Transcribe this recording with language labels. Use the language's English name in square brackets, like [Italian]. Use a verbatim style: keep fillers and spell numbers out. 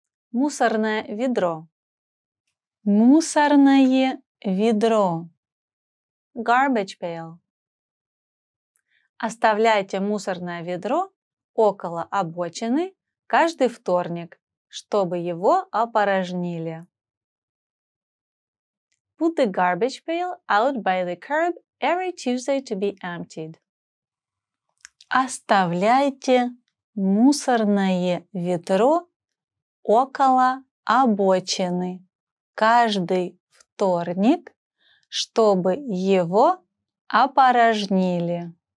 [Russian] Мусорное ведро. Мусорное ведро. [English] Garbage pail. [Russian] Оставляйте мусорное ведро около обочины каждый вторник, чтобы его опорожнили. [English] Put the garbage pail out by the curb every Tuesday to be emptied. [Russian] Оставляйте мусорное ведро около обочины каждый вторник, чтобы его опорожнили.